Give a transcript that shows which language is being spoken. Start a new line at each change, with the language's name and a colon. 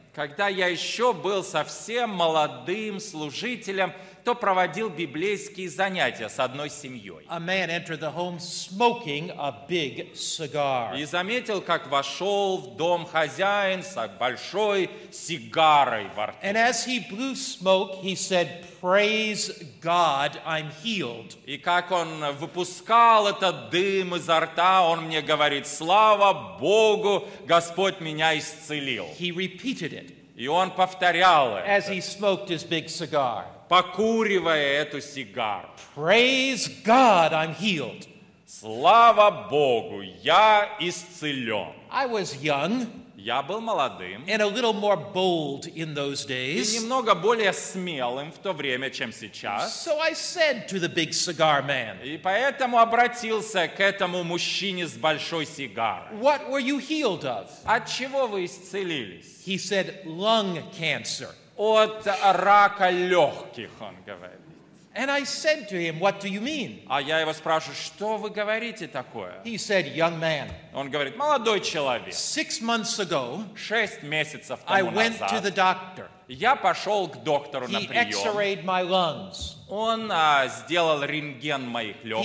Russian: Когда я еще был совсем молодым служителем, то проводил библейские занятия с одной семьей.
English: A man entered the home smoking a big cigar.
Russian: И заметил, как вошел в дом хозяин с большой сигарой во рту.
English: And as he blew smoke, he said, "Praise God, I'm healed."
Russian: И как он выпускал этот дым изо рта, он мне говорит: "Слава Богу, Господь меня исцелил."
English: He repeated it.
Russian: И он повторял это.
English: As he smoked his big cigar.
Russian: Покуривая эту сигару.
English: Praise God, I'm healed.
Russian: Слава Богу, я исцелен.
English: I was young.
Russian: Я был молодым.
English: And a little more bold in those days.
Russian: И немного более смелым в то время, чем сейчас.
English: So I said to the big cigar man.
Russian: И поэтому обратился к этому мужчине с большой сигарой.
English: What were you healed of?
Russian: От чего вы исцелились?
English: He said, lung cancer.
Russian: От рака легких, он говорит.
English: And I said to him, "What do you mean?"
Russian: А я его спрашиваю: "Что вы говорите такое?"
English: He said, "Young man."
Russian: Он говорит: "Молодой человек."
English: 6 months ago,
Russian: 6 месяцев тому
English: I went
Russian: назад,
English: to the doctor.
Russian: Я пошел к доктору
English: he
Russian: на прием.
English: He x-rayed my lungs.
Russian: Он сделал рентген моих легких.